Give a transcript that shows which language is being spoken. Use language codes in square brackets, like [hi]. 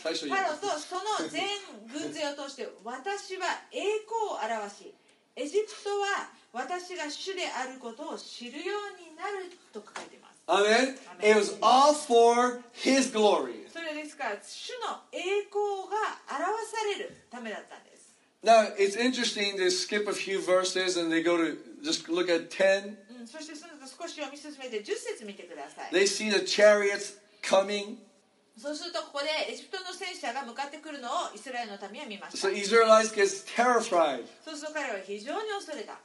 [ja] パロとその全軍勢を通して、私は栄光を表し、エジプトは私が主であることを知るようになると書いています。 [en] Amen. It was all for His glory. [ja] それですから主の栄光が表されるためだったんです。 [en] Now it's interesting. They skip a few verses and they go to just look at 10. [ja] そしてその少し読み進めて10節見てください。 [en] They see the chariots coming. [ja] そうするとここでエジプトの戦車が向かってくるのをイスラエルの民は見ました。 [en] So Israelites get terrified. [ja] そうすると彼は非常に恐れた。